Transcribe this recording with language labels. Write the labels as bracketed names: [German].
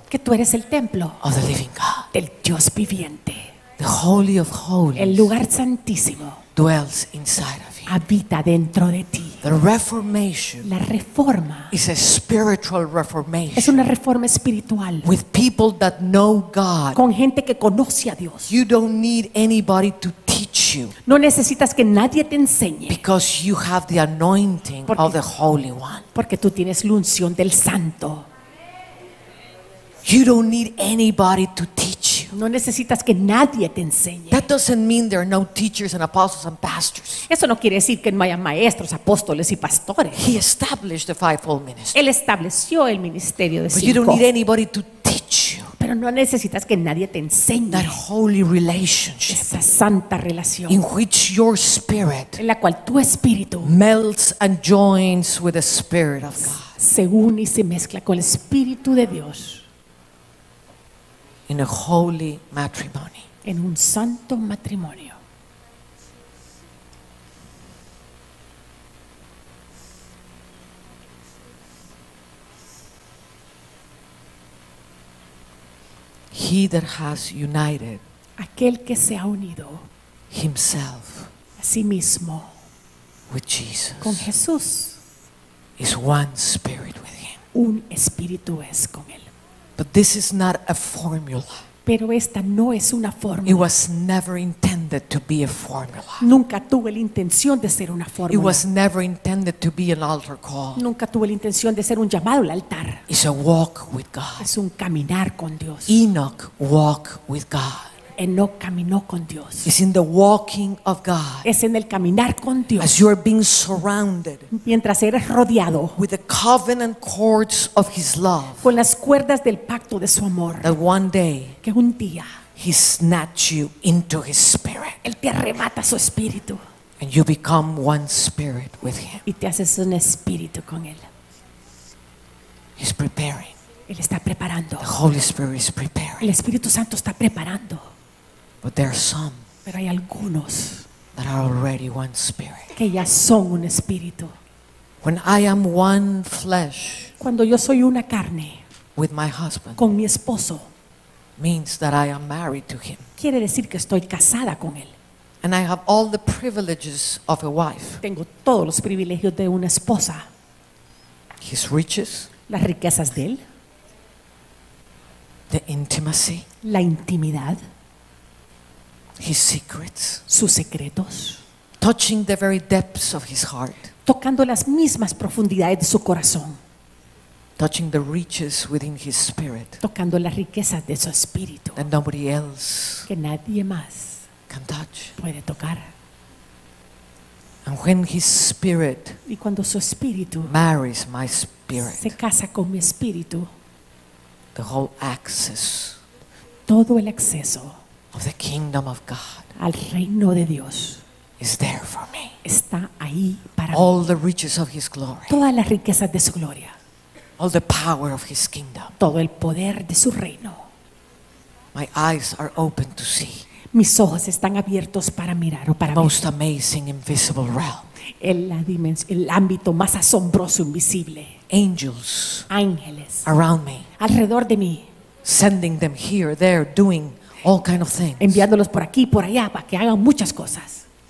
[Spanish] Que tú eres el templo. [English] Of the living God. [Spanish] Del Dios viviente. [English] The holy of holies. [Spanish] El lugar santísimo. [English] Dwells inside of you. [Spanish] Habita dentro de ti. [English] The reformation. [Spanish] La reforma. [English] Is a spiritual reformation. [Spanish] Es una reforma espiritual. [English] With people that know God. [Spanish] Con gente que conoce a Dios. [English] You don't need anybody to teach you. [Spanish] No necesitas que nadie te enseñe. [English] Because you have the anointing of the Holy One. [Spanish] Porque tú tienes la unción del Santo. [English] You don't need anybody to teach you. [Spanish] No necesitas que nadie te enseñe. [English] That doesn't mean there are no teachers and apostles and pastors. [Spanish] Eso no quiere decir que no haya maestros, apóstoles y pastores. [English] He established the fivefold ministry. [Spanish] Él estableció el ministerio de cinco. [English] But you don't need anybody to teach you. [Spanish] Pero no necesitas que nadie te enseñe. [English] That holy relationship. [Spanish] Esa santa relación. [English] In which your spirit. [Spanish] En la cual tu espíritu. [English] Melts and joins with the spirit of God. [Spanish] Se une y se mezcla con el espíritu de Dios. [English] In a holy matrimony. [Spanish] En un santo matrimonio. [English] He that has united. [Spanish] Aquel que se ha unido. [English] Himself. [Spanish] A sí mismo. [English] With Jesus. [Spanish] Con Jesús. [English] Is one spirit with him. [Spanish] Un espíritu es con él. [English] But this is not a formula. [Spanish] Pero esta no es una fórmula. [English] It was never intended to be a formula. [Spanish] Nunca tuvo la intención de ser una fórmula. [English] It was never intended to be an altar call. [Spanish] Nunca tuvo la intención de ser un llamado al altar. [English] It's a walk with God. [Spanish] Es un caminar con Dios. [English] Enoch walked with God. [Spanish] Enoch caminó con Dios. [English] It's in the walking of God. [Spanish] Es en el caminar con Dios. [English] As you're being surrounded. [Spanish] Mientras eres rodeado. [English] With the covenant cords of his love. [Spanish] Con las cuerdas del pacto de su amor. [English] That one day. [Spanish] Que un día. [English] He snatches you into his spirit. [Spanish] Él te arrebata su espíritu. [English] And you become one spirit with him. [Spanish] Y te haces un espíritu con él. [English] He's preparing. [Spanish] Él está preparando. [English] The Holy Spirit is preparing. [Spanish] El Espíritu Santo está preparando. [English] But there are some. [Spanish] Pero hay algunos. [English] That are already one spirit. [Spanish] Que ya son un espíritu. [English] When I am one flesh. [Spanish] Cuando yo soy una carne. [English] With my husband. [Spanish] Con mi esposo. [English] Means that I am married to him. [Spanish] Quiere decir que estoy casada con él. [English] And I have all the privileges of a wife. [Spanish] Tengo todos los privilegios de una esposa. [English] His riches. [Spanish] Las riquezas de él. [English] The intimacy, [Spanish] la intimidad, [English] his secrets, [Spanish] sus secretos, [English] touching the very depths of his heart, [Spanish] tocando las mismas profundidades de su corazón, [English] touching the riches within his spirit, [Spanish] tocando las riquezas de su espíritu, [English] that nobody else [Spanish] que nadie más [English] can touch, [Spanish] puede tocar. [English] And when his spirit, [Spanish] y cuando su espíritu, [English] marries my spirit, [Spanish] se casa con mi espíritu. [English] The whole access, [Spanish] todo el acceso, [English] of the kingdom of God, [Spanish] al reino de Dios, [English] is there for me. [Spanish] Está ahí para mí. [English] All the riches of His glory, [Spanish] todas las riquezas de su gloria, [English] all the power of His kingdom, [Spanish] todo el poder de su reino. [English] My eyes are open to see, [Spanish] mis ojos están abiertos para mirar o para [English] ver. Most amazing invisible realm, [Spanish] el ámbito más asombroso invisible. [English] Angels, [Spanish] ángeles, [English] around me, [Spanish] alrededor de mí, [English] sending them here, there, doing all kind of things, [Spanish] enviándolos por aquí, por allá, para que hagan muchas cosas.